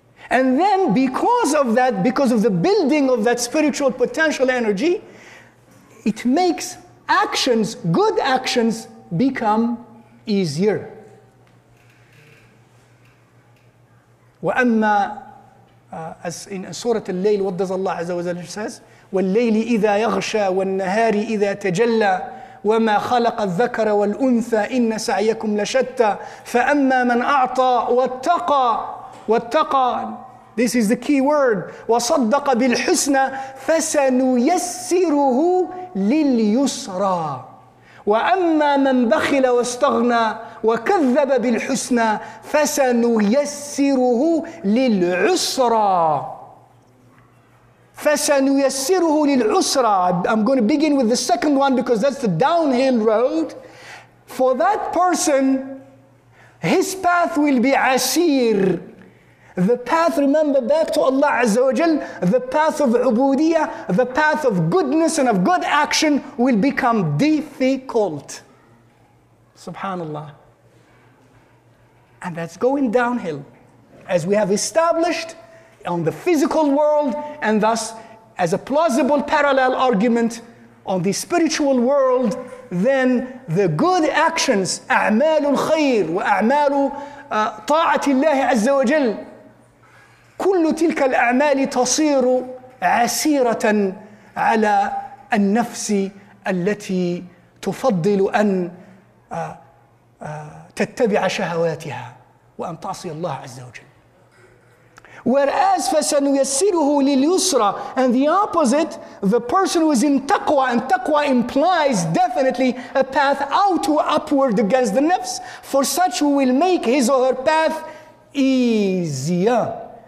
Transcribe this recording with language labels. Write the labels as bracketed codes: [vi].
[en] And then because of that, because of the building of that spiritual potential energy, it makes actions, good actions, become easier. وَأَمَّا as in Surah Al-Layl, what does Allah Azza wa Jalla says? وَاللَّيْلِ إِذَا يَغْشَى وَالنَّهَارِ إِذَا تَجَلَّى وما خلق الذكر والأنثى إن سعيكم لشتى فأما من أعطى [ar] واتقى [en] واتقى. This is the key word. وصدق بالحسنى فسنيسره لليسرى وأما من بخل واستغنى وكذب بالحسنى فسنيسره للعسرى. فَسَنُيَسِّرُهُ لِلْعُسْرَى. I'm going to begin with the second one because that's the downhill road. For that person, his path will be asir. The path, remember, back to Allah Azza wa Jal, the path of ubudiyah, the path of goodness and of good action will become difficult. Subhanallah. And that's going downhill. As we have established, [ar] on the physical world, and thus, as a plausible parallel argument on the spiritual world, then the good actions, أعمال الخير وأعمال طاعة الله عز وجل, كل تلك الأعمال تصير عسيرة على النفس التي تفضل أن تتبع شهواتها وأن تعصي الله عز وجل. [en] Whereas فَسَنُيَسِّرُهُ لِلْيُسْرَى, and the opposite, the person who is in taqwa, and taqwa implies definitely a path out or upward against the nafs, for such who will make his or her path easier.